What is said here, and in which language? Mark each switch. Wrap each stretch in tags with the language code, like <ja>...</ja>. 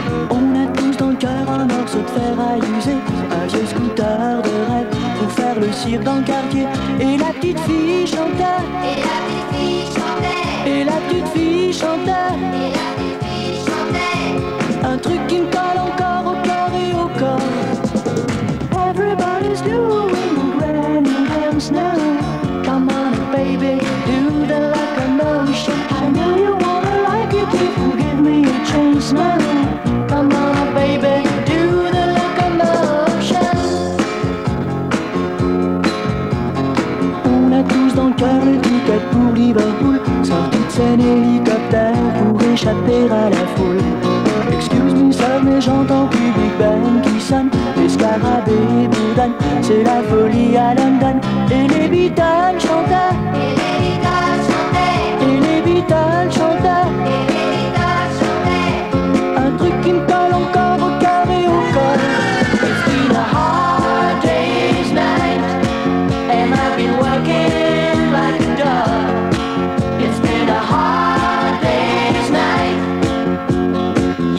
<fr>On a tous dans le cœur un morceau de fer à user. Un vieux scooter de rêve pour faire le cirque dans le quartier. Et la petite fille chantait. Et la petite fille chantait. Et la petite fille chantait. Et la petite fille chantait. Un truc qui me colle encore au cœur et au corps.</fr> <en>Everybody's doing granny dance now. Come on baby, do the locomotion. I know you wanna like it if you give me a chance now. Come on baby, do the locomotion.</en> <fr>On a tous dans le cœur le ticket pour Liverpool. Sortie de scène hélicoptère pour échapper à la foule. Excuse me sir, mais j'entends plus Big Ben qui sonne. Scarabée Boudin, c'est la folie à London. Et les Beatles chantaient. Et les Beatles chantaient. Et les Beatles chantaient. Et les Beatles chantaient. Un truc qui me colle encore au cœur et au col.</fr> <en>It's been a hard day's night and I've been working like a dog. It's been a hard day's night.</en>